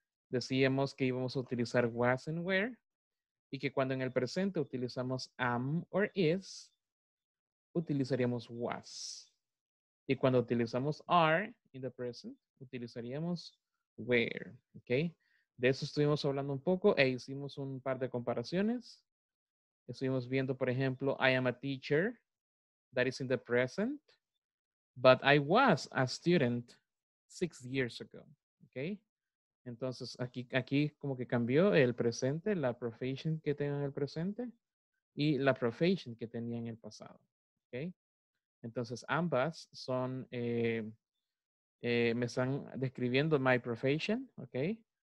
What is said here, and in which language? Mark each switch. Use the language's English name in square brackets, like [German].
[Spanish] Decíamos que íbamos a utilizar was and were, y que cuando en el presente utilizamos am or is, utilizaríamos was. Y cuando utilizamos are in the present, utilizaríamos were, ¿ok? De eso estuvimos hablando un poco e hicimos un par de comparaciones. Estuvimos viendo, por ejemplo, [English] I am a teacher, that is in the present, but I was a student 6 years ago, okay? [Spanish] Entonces, aquí como que cambió el presente, la profession que tengo en el presente y la profession que tenía en el pasado, okay? Entonces, ambas son, me están describiendo my profession, okay?